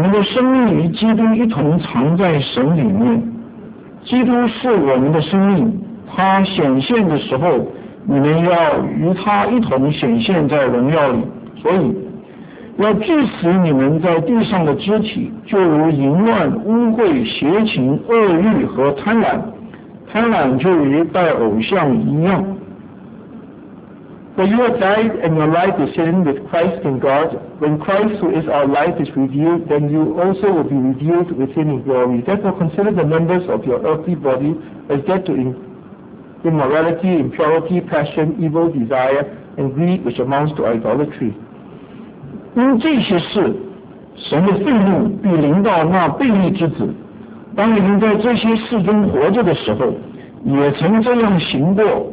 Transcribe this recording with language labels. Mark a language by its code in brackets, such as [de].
[zh] 因为你们已经死了，你们的生命与基督一同藏在神里面。基督是我们的生命，他显现的时候，你们要与他一同显现在荣耀里。所以，要致死你们在地上的肢体，就如淫乱、污秽、邪情、恶欲和贪婪，贪婪就如拜偶像一样。 [en] For you have died and your life is hidden with Christ in God. When Christ, who is our life, is revealed, then you also will be revealed with him in glory. Therefore consider the members of your earthly body as dead to immorality, impurity, passion, evil desire, and greed, which amounts to idolatry. [zh] 因这些事，神的愤怒必临到那悖逆之子。当你们在这些事中活着的时候，也曾这样行过。